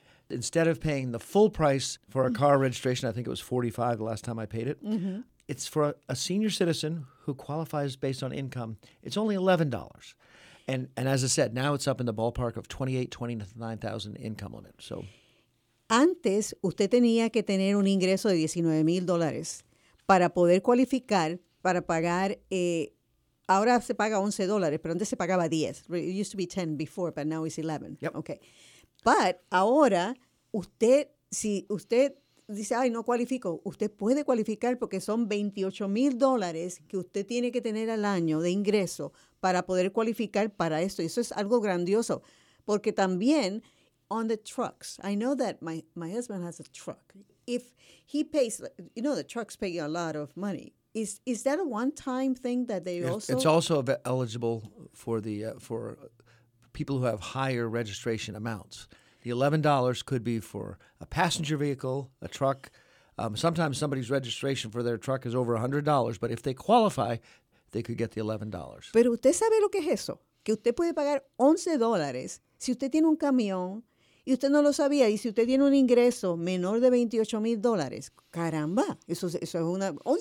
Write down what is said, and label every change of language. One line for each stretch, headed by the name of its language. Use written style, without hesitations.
English: Instead of paying the full price for a car registration, I think it was $45 the last time I paid it. Mm-hmm. It's for a senior citizen who qualifies based on income. It's only $11. And as I said, now it's up in the ballpark of $28,000, $29,000 income limit. So,
Spanish: antes, usted tenía que tener un ingreso de $19,000 para poder cualificar, para pagar. Ahora se paga $11, pero antes se pagaba $10.
English: It used to be $10 before, but now it's $11. Yep.
Spanish: Okay. But ahora, usted, si usted dice, ay, no cualifico, usted puede cualificar porque son $28,000 que usted tiene que tener al año de ingreso para poder cualificar para esto. Y eso es algo grandioso. Porque también,
English: on the trucks, I know that my husband has a truck. If he pays, you know, the trucks pay a lot of money. Is that a one-time thing that they also? It's also eligible for the people who have higher registration amounts. The $11 could be for a passenger vehicle, a truck. Sometimes somebody's registration for their truck is over $100, but if they qualify, they could get the $11.
Spanish: Pero usted sabe lo que es eso, que usted puede pagar $11 si usted tiene un camión y usted no lo sabía, y si usted tiene un ingreso menor de $28,000, caramba, eso es una, $11.